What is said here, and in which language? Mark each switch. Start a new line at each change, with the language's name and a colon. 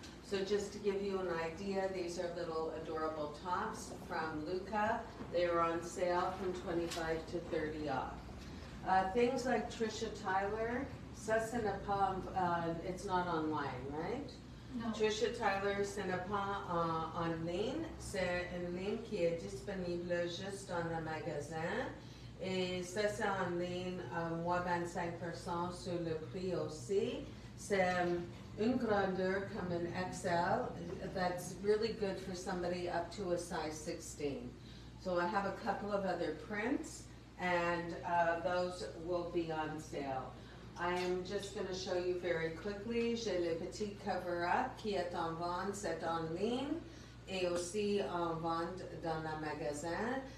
English: So just to give you an idea, these are little adorable tops from Luca. They are on sale from 25 to 30 off. Things like Trisha Tyler, Sessinapam, it's not online, right? No.
French: Trisha Tyler, ce n'est pas en ligne. C'est une ligne qui est disponible juste dans le magasin. Et ça, c'est en ligne moins 25% sur le prix aussi. C'est une grandeur comme un XL.
English: That's really good for somebody up to a size 16. So I have a couple of other prints, and those will be on sale. I am just going to show you very quickly.
French: J'ai le petit cover-up qui est en vente, c'est en ligne et aussi en vente dans le magasin.